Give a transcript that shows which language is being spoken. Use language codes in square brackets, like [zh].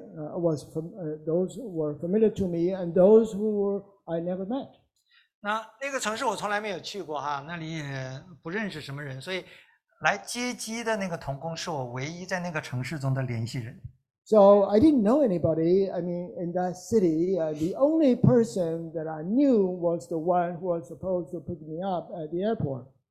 [en] Those were familiar to me, and those who I never met. [zh] 那个城市我从来没有去过哈，那里也不认识什么人，所以来接机的那个同工是我唯一在那个城市中的联系人。 [en] So I didn't know anybody. I mean, in that city, the only person that I knew was the one who was supposed to pick me up at the airport.